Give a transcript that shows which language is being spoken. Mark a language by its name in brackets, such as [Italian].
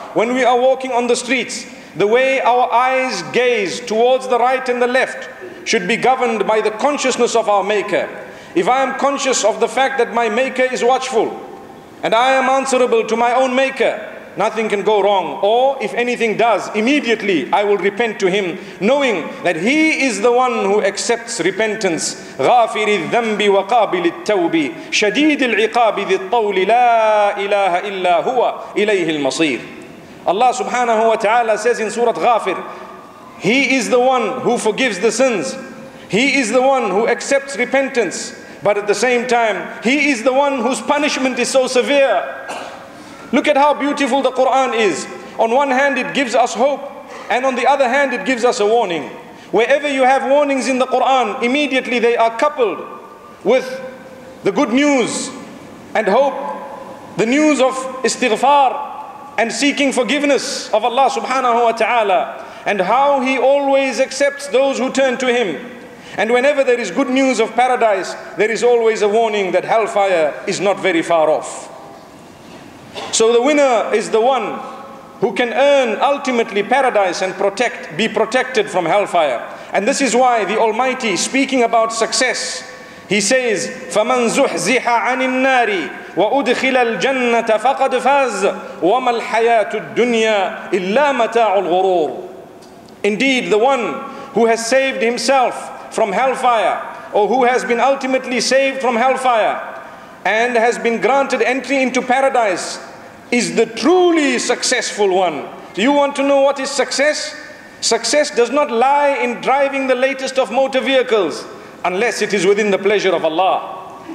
[English] When we are walking on the streets, the way our eyes gaze towards the right and the left should be governed by the consciousness of our maker. If I am conscious of the fact that my maker is watchful and I am answerable to my own maker, nothing can go wrong. Or if anything does, immediately I will repent to him, knowing that he is the one who accepts repentance. [Arabic] غافر الذنب وقابل التوب شديد العقاب ذي الطول لا إله إلا هو إليه المصير. [English] Allah subhanahu wa ta'ala says in Surah Ghafir, he is the one who forgives the sins. He is the one who accepts repentance. But at the same time, he is the one whose punishment is so severe. Look at how beautiful the Quran is. On one hand, it gives us hope. And on the other hand, it gives us a warning. Wherever you have warnings in the Quran, immediately they are coupled with the good news and hope, the news of istighfar and seeking forgiveness of Allah subhanahu wa ta'ala, and how he always accepts those who turn to him. And whenever there is good news of paradise, there is always a warning that hellfire is not very far off. So the winner is the one who can earn ultimately paradise and be protected from hellfire. And this is why the Almighty, speaking about success, he says, [Arabic] فَمَنْ زُحْزِحَ عَنِ النَّارِ وَأُدْخِلَ الْجَنَّةَ فَقَدْ فَازْ وَمَا الْحَيَاةُ الدُّنْيَا إِلَّا مَتَاعُ الْغُرُورِ. [English] Indeed, the one who has saved himself from hellfire, or who has been ultimately saved from hellfire and has been granted entry into paradise, is the truly successful one. Do you want to know what is success? Success does not lie in driving the latest of motor vehicles, unless it is within the pleasure of Allah.